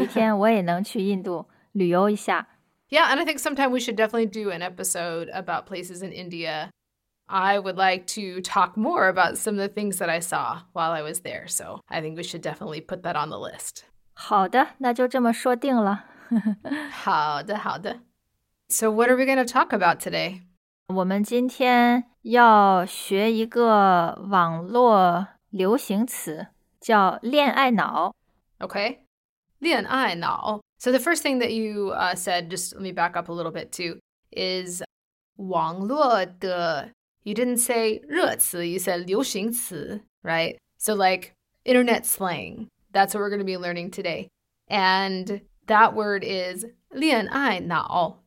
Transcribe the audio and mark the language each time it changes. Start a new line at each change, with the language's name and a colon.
Chinese: 听起来很有意思。我希望有一天我也能去印度旅游一下。
English: Yeah, and I think sometime we should definitely do an episode about places in India. I would like to talk more about some of the things that I saw while I was there. So I think we should definitely put that on the list.
Chinese: 好的,那就这么说定了。好的,好的。
English: So what are we going to talk about today?
Chinese: 我们今天要学一个网络流行词,叫恋爱脑。
English: Okay.
Chinese: 恋爱脑。
English: So the first thing that you said, just let me back up a little bit too, is 网络的, you didn't say 热词, you said 流行词, right? So like internet slang, that's what we're going to be learning today. And that word is 恋爱脑.